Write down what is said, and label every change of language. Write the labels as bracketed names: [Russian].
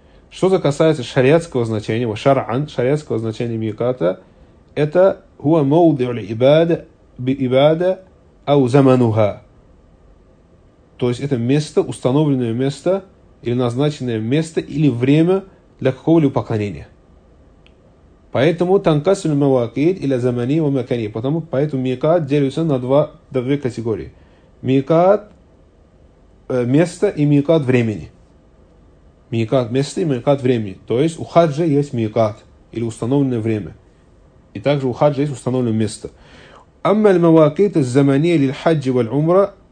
[Russian] Что же касается шариатского значения, ва шар'ан, шариатского значения мииката — это [Arabic] هو موضع العبادة بإبادة أو زمنها. [Russian] То есть это место, установленное место или назначенное место или время для какого-либо поклонения. Поэтому [Arabic] تنقسم المواقيت إلى زمني ومكاني. [Russian] Потому поэтому ميقات делится на две категории. ميقات место и ميقات времени. ميقات место и ميقات времени. То есть у хаджа есть ميقات или установленное время. И также у хаджа есть установленное место. [Arabic] «Амма аль-маваакит аз-заманийя лиль-хаджи валь-умра».